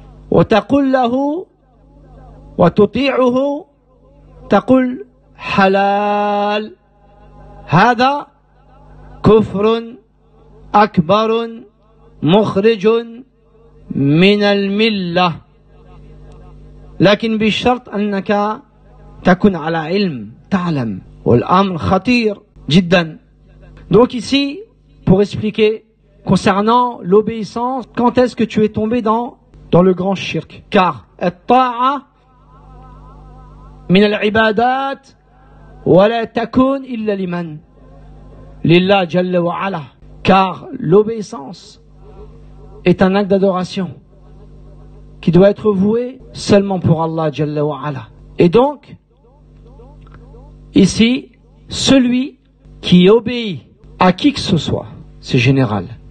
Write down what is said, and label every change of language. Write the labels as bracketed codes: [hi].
[ar] وتقول له وتطيعه تقول حلال، هذا كفر أكبر مخرج من الملة، لكن بشرط أنك تكون على علم تعلم. والأمر خطير جدا. [fr] Donc ici, pour expliquer concernant l'obéissance, quand est-ce que tu es tombé dans le grand shirk? [ar] Car الطاعة من العبادات ولا تكون إلا لمن لله جل وعلا. [fr] Car l'obéissance est un acte d'adoration qui doit être voué seulement pour Allah Jalla wa Ala. Et donc, ici, celui qui obéit à qui que ce soit, c'est général.